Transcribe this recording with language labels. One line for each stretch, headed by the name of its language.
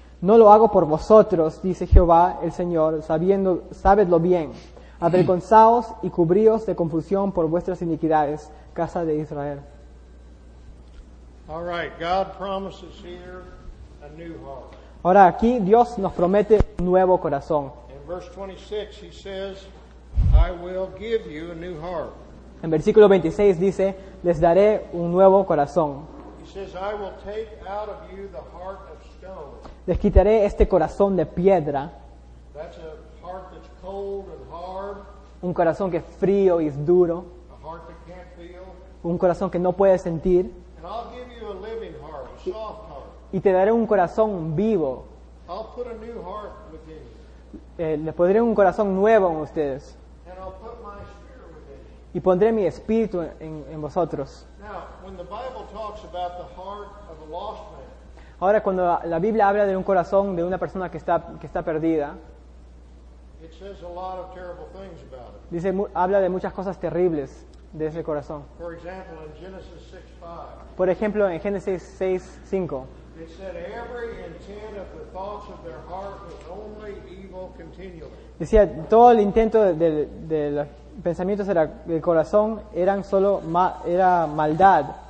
Spanish: No lo hago por vosotros, dice Jehová el Señor, sabedlo bien. Avergonzaos y cubríos de confusión por vuestras iniquidades, casa de Israel.
English: All right, God promises here a new heart.
Spanish: Ahora aquí Dios nos promete un nuevo corazón.
English: Verse 26, he says, I will give you a new heart.
Spanish: En versículo 26 dice, les daré un nuevo corazón.
English: He says, I will take out of you the heart of stone.
Spanish: Les quitaré este corazón de piedra.
English: That's a heart that's cold and hard.
Spanish: Un corazón que es frío y es duro.
English: A heart that can't feel.
Spanish: Un corazón que no puede sentir.
English: And I'll give you a living heart, a soft heart.
Spanish: Y te daré un corazón vivo.
English: I'll put a new heart.
Spanish: Le pondré un corazón nuevo en ustedes.
English: And I'll put my spirit within you.
Spanish: Y pondré mi espíritu en vosotros.
English: Now, when the Bible talks about the heart of a lost man,
Spanish: ahora, cuando la Biblia habla de un corazón de una persona que está perdida,
English: It says a lot of terrible things about it.
Spanish: Dice, habla de muchas cosas terribles de ese corazón.
English: For example, in Genesis 6:5.
Spanish: Por ejemplo, en Génesis 6:5.
English: It said every intent of the thoughts of their heart was only evil continually.
Spanish: Decía, todo el intento del pensamientos del corazón eran solo era maldad.